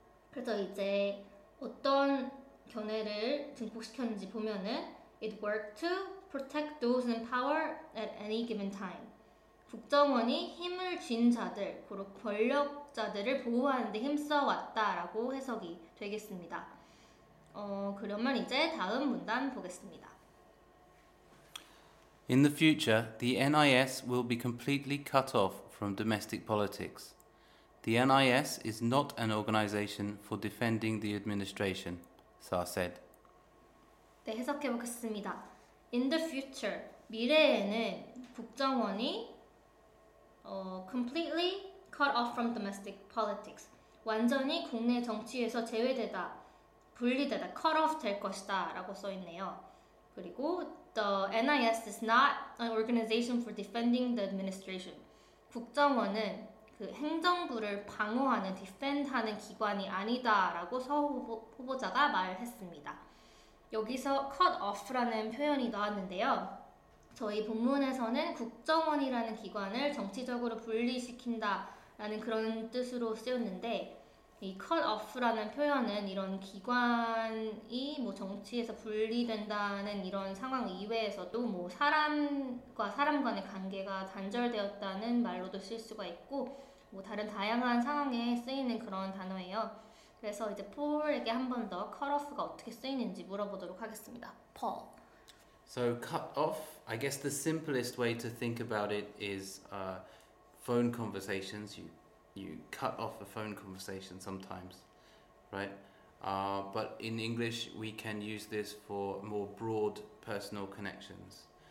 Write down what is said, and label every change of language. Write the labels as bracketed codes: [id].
[ko] 그래서 이제 어떤 견해를 증폭시켰는지 보면은 [en] it worked to protect those in power at any given time. [ko] 국정원이 힘을 쥔 자들, 그리고 권력자들을 보호하는 데 힘써왔다라고 해석이 되겠습니다. 그러면 이제 다음 문단 보겠습니다. [en] In the future, the NIS will be completely cut off from domestic politics. The NIS is not an organization for defending the administration, Sar said. [ko] 네, 해석해 보겠습니다. [en] In the future, [ko] 미래에는 국정원이 [en] completely cut off from domestic politics. [ko] 완전히 국내 정치에서 제외되다, 분리되다, cut off 될 것이다 라고 써 있네요. [en] 그리고 the NIS is not an organization for defending the administration. [ko] 국정원은 그 행정부를 방어하는, defend 하는 기관이 아니다 라고 서 후보자가 말했습니다. 여기서 cut off 라는 표현이 나왔는데요. 저희 본문에서는 국정원이라는 기관을 정치적으로 분리시킨다라는 그런 뜻으로 쓰였는데 이 cut off라는 표현은 이런 기관이 뭐 정치에서 분리된다는 이런 상황 이외에서도 뭐 사람과 사람 간의 관계가 단절되었다는 말로도 쓸 수가 있고 뭐 다른 다양한 상황에 쓰이는 그런 단어예요. 그래서 이제 폴에게 한 번 더 cut off가 어떻게 쓰이는지 물어보도록 하겠습니다. [en] Paul. So cut off, I guess the simplest way to think about it is phone conversations. You cut off a phone conversation sometimes, right? But in English, we can use this for more broad personal connections.